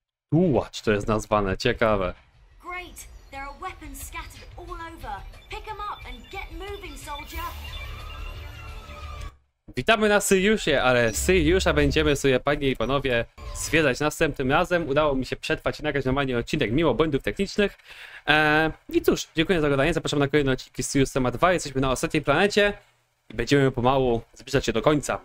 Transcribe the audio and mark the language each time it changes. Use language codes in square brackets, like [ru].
[pl] Tułacz to jest nazwane, ciekawe. [en] Great! There are weapons scattered all over. Pick them up and get moving, soldier! [pl] Witamy na Syjuszu, ale Syjusza będziemy sobie, panie i panowie, zwiedzać następnym razem. Udało mi się przetrwać i nagrać normalnie odcinek mimo błędów technicznych. I cóż, dziękuję za oglądanie, zapraszam na kolejne odcinki Syjusz Temat 2. Jesteśmy na ostatniej planecie i będziemy pomału zbliżać się do końca.